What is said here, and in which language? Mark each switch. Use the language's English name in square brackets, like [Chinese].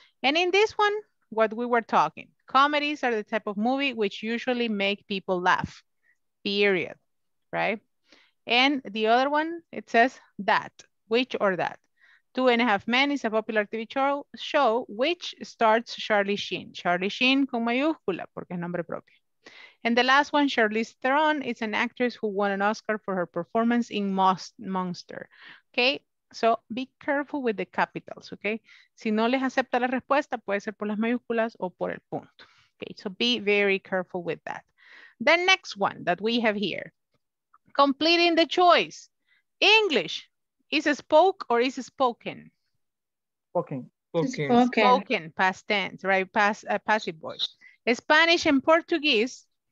[English] And in this one, what we were talking, comedies are the type of movie which usually make people laugh, period, right? And the other one, it says that, which or that. Two and a Half Men is a popular TV show which stars Charlie Sheen. [Spanish] Charlie Sheen con mayúscula, porque es nombre propio. [English] And the last one, Charlize Theron, is an actress who won an Oscar for her performance in Monster. Okay, So be careful with the capitals, okay? [Spanish] Si no les acepta la respuesta, puede ser por las mayúsculas o por el punto. [English] Okay, so be very careful with that. The next one that we have here, completing the choice. English, is it spoke or is it spoken? Spoken. Spoken. Spoken, past tense, right? Passive voice. Spanish and Portuguese.